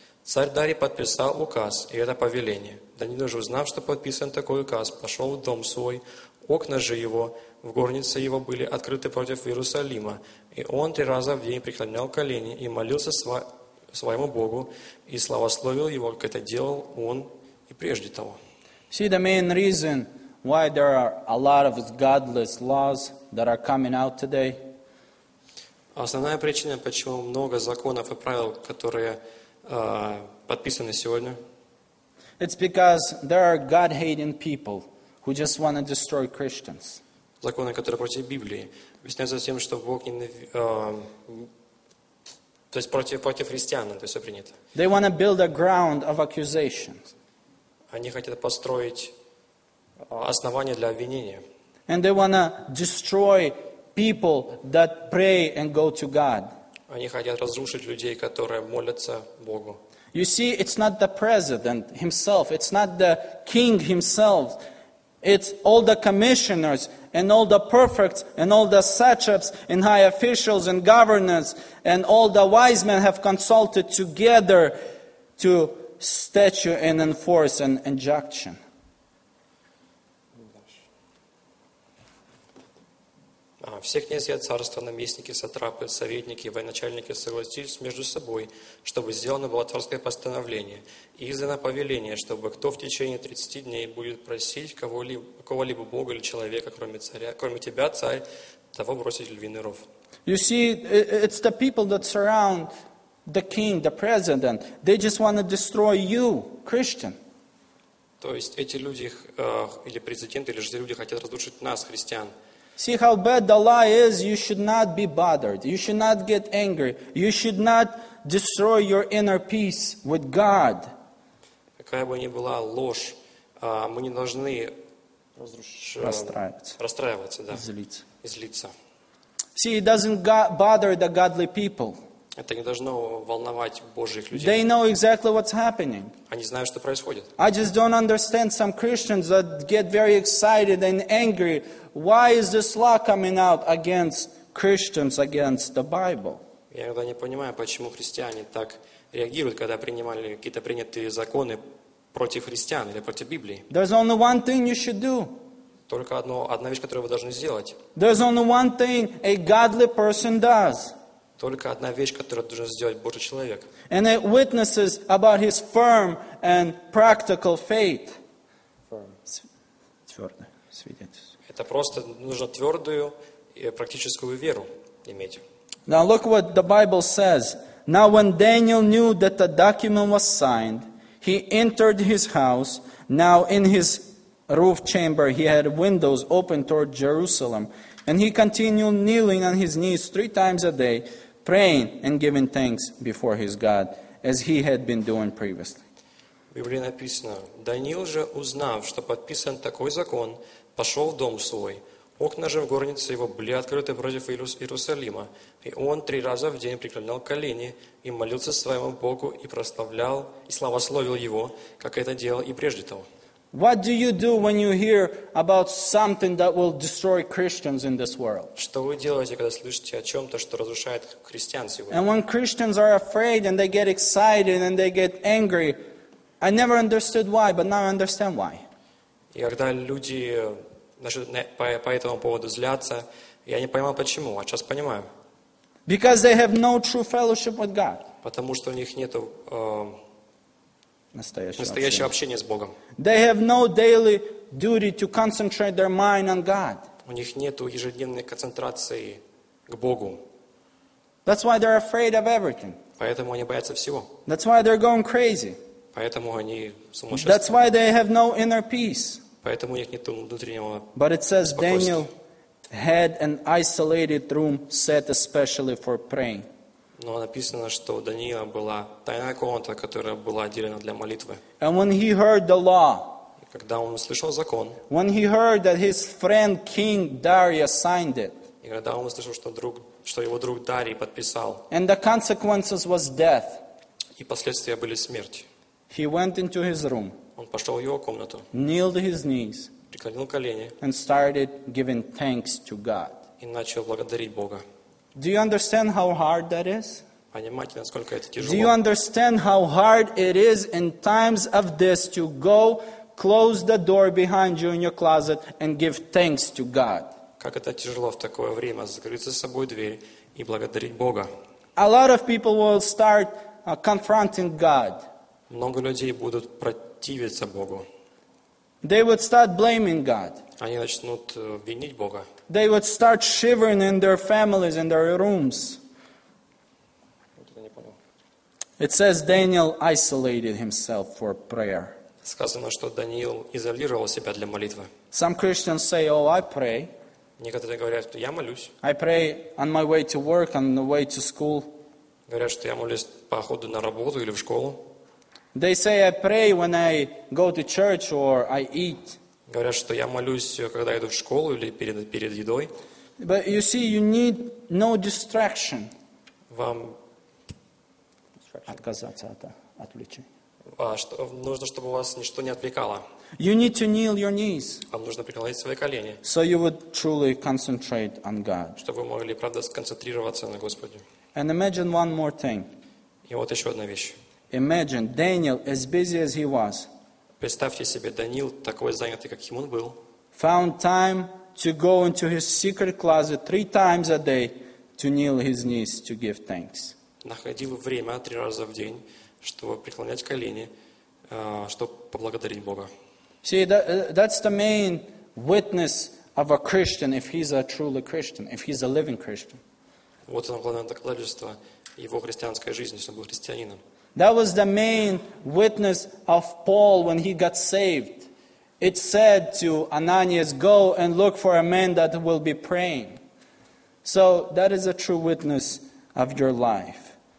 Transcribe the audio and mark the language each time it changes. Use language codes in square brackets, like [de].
[ru] Царь Дарий подписал указ, и это повеление. Даниил же, узнав, что подписан такой указ, пошел в дом свой, окна же его, в горнице его были открыты против Иерусалима, и он три раза в день преклонял колени и молился своему Богу, и славословил его, как это делал он и прежде того. [en] See, the main reason why there are a lot of godless laws that are coming out today. [ru] Основная причина, почему много законов и правил, которые подписаны сегодня. [en] It's because there are God-hating people who just want to destroy Christians. [ru] Законы, которые против Библии, объясняются тем, что Бог не, то есть против христиан, то есть все принято. [en] They want to build a ground of accusations. [ru] Они хотят построить основание для обвинения. [en] And they want to destroy people that pray and go to God. [ru] Они хотят разрушить людей, которые молятся Богу. [en] You see, it's not the president himself, it's not the king himself, it's all the commissioners and all the prefects and all the satraps and high officials and governors and all the wise men have consulted together to statute and enforce an injunction. [ru] Все князья царства, наместники, сатрапы, советники и военачальники согласились между собой, чтобы сделано было царское постановление и издано повеление, чтобы кто в течение 30 дней будет просить кого-либо Бога или человека, кроме царя, кроме тебя, царь, того бросить львиный ров. [en] You see, it's the people that surround the king, the president. They just want to destroy you, Christian. [ru] То есть эти люди, или президент, или же люди хотят разрушить нас, христиан. [en] See how bad the lie is, you should not be bothered. You should not get angry. You should not destroy your inner peace with God. [ru] Какая бы ни была ложь, мы не должны расстраиваться, да. Излиться. [en] See, it doesn't bother the godly people. [ru] Это не должно волновать Божьих людей. [en] They know exactly what's happening. [ru] Они знают, что происходит. [en] I just don't understand some Christians that get very excited and angry. Why is this law coming out against Christians, against the Bible? [ru] Я иногда не понимаю, почему христиане так реагируют, когда принимали какие-то принятые законы против христиан или против Библии. [en] There's only one thing you should do. [ru] Только одна вещь, которую вы должны сделать. [en] There's only one thing a godly person does. [ru] Только одна вещь, которую должен сделать Божий человек. [en] And it witnesses about his firm and practical faith. Firm. [ru] Твердое свидетельство. Это просто нужно твердую и практическую веру иметь. [en] Now look what the Bible says. Now when Daniel knew that the document was signed, he entered his house. Now in his roof chamber he had windows open toward Jerusalem. And he continued kneeling on his knees 3 times a day, praying and giving thanks before his God, as he had been doing previously. [ru] В Библии написано, Даниил же, узнав, что подписан такой закон, пошел в дом свой. Окна же в горнице его были открыты против Иерусалима. И он 3 раза в день преклонял колени и молился своему Богу и прославлял и славословил его, как это делал и прежде того. [en] What do you do when you hear about something that will destroy Christians in this world? [ru] Что вы делаете, когда слышите о чем-то, что разрушает христиан сегодня? [en] And when Christians are afraid and they get excited and they get angry, I never understood why, but now I understand why. [ru] И когда люди по этому поводу злятся, я не понимал почему, а сейчас понимаю. [en] Because they have no true fellowship with God. [ru] Потому что у них нету настоящего общения с Богом. [en] They have no daily duty to concentrate their mind on God. [ru] У них нету ежедневной концентрации к Богу. [en] That's why they're afraid of everything. [ru] Поэтому они боятся всего. [en] That's why they're going crazy. [ru] Поэтому они сумасшедшие. [en] That's why they have no inner peace. [ru] Поэтому у них нету внутреннего спокойствия. [en] But it says Daniel had an isolated room set especially for praying. [ru] Но написано, что у Даниила была тайная комната, которая была отделена для молитвы. [en] And when he heard the law, [ru] когда он услышал закон, [en] when he heard that his friend King Darius signed it, [ru] и когда он услышал, что его друг Дарий подписал, [en] and the consequences was death, [ru] и последствия были смерть. [en] He went into his room, [ru] он пошел в его комнату, [en] kneeled his knees, [ru] преклонил колени, [en] and started giving thanks to God, [ru] и начал благодарить Бога. [en] Do you understand how hard that is? [ru] Понимаете, насколько это тяжело? [en] Do you understand how hard it is in times of this to go close the door behind you in your closet and give thanks to God? [ru] Как это тяжело в такое время закрыть за собой дверь и благодарить Бога? [en] A lot of people will start confronting God. [ru] Много людей будут противиться Богу. [en] They would start blaming God. [ru] Они начнут винить Бога. [en] They would start shivering in their families, in their rooms. It says Daniel isolated himself for prayer. [ru] Сказано, что Даниил изолировал себя для молитвы. [en] Some Christians say, "Oh, I pray." [ru] Некоторые говорят, что я молюсь. [en] I pray on my way to work, on the way to school. [ru] Говорят, что я молюсь по ходу на работу или в школу. [en] They say I pray when I go to church or I eat. [ru] Говорят, что я молюсь, когда иду в школу или перед едой. [en] But you see, you need no distraction. [ru] Вам отказаться от отвлечения. А что нужно, чтобы вас ничто не отвлекало? [en] You need to kneel your knees. [ru] Вам нужно преклонить свои колени. [en] So you would truly concentrate on God. [ru] Чтобы вы могли правда сконцентрироваться на Господе. [en] And imagine one more thing. [ru] И вот еще одна вещь. [en] Imagine Daniel, as busy as he was. [ru] Представьте себе, Даниил такой занятый, каким он был. [en] Found time to go into his secret closet 3 times a day to kneel his knees to give thanks. [ru] Находил время 3 раза в день, чтобы преклонять колени, чтобы поблагодарить Бога. [en] See, that's the main witness of a Christian, if he's a truly Christian, if he's a living Christian. [ru] Вот оно главное доказательство его христианской жизни, чтобы был христианином. [en] That was the main witness of Paul when he got saved. It said to Ananias, "Go and look for a man that will be praying." So that is a true witness of your life.